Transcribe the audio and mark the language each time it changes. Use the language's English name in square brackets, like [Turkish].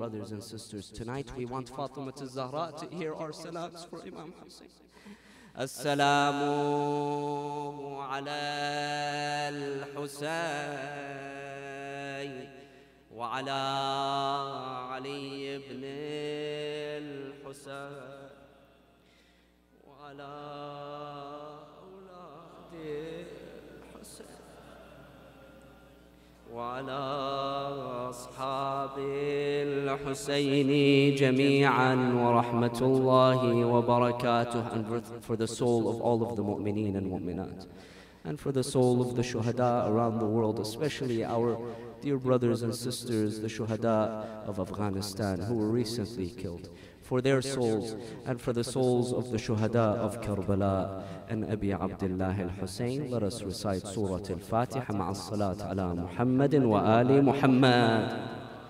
[English] Brothers and sisters, tonight we want Fatima to Zahra to hear our salams for Imam Hussein. [Arabic] السلام على الحسين وعلى علي بن الحسين وعلى أولاد الحسين وعلى أصحاب الحسين جميعا ورحمة الله وبركاته. [English] And for the soul of all of the mu'mineen and mu'minat, and for the soul of the shuhada around the world, especially our dear brothers and sisters, the shuhada of Afghanistan who were recently killed, for their souls, and for the souls of the shuhada of Karbala and Abi Abdullah al-Hussein, let us recite Surah al-Fatiha [Arabic] ma'as-salat ala Muhammadin wa ali Muhammad.